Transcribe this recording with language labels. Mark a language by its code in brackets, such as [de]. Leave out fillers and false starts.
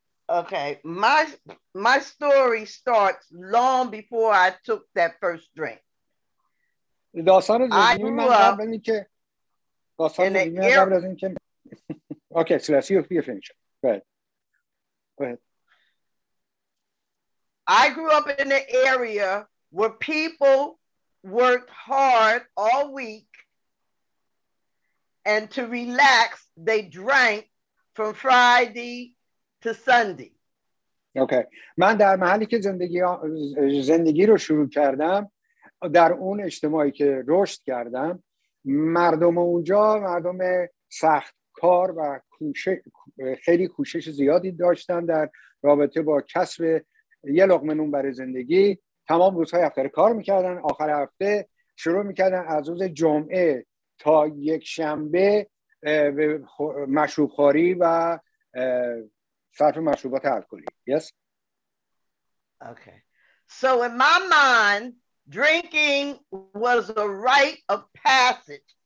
[en] Okay, my story starts long before I took that first drink. [fa] داستان زندگی من قبل از اینکه داستان زندگی من قبل از اینکه اوکی سلسی رو بیه فینیش باید. [en] I grew up in an area where people worked hard all week, and to relax, they drank from Friday to Sunday. Okay. [fa] من در محلی که زندگی رو شروع کردم، در اون اجتماعی که رشد کردم، مردم اونجا مردم سخت کار و خیلی کوشش زیادی داشتن در رابطه با کسب یه لقمه نون برای زندگی. تمام روزهای هفته کار میکردن، آخر هفته شروع میکردن از روز جمعه تا یک شنبه به مشروب خوری و صرف مشروبات الکلی. [en] Yes. Okay. So in my mind, drinking was a rite of passage.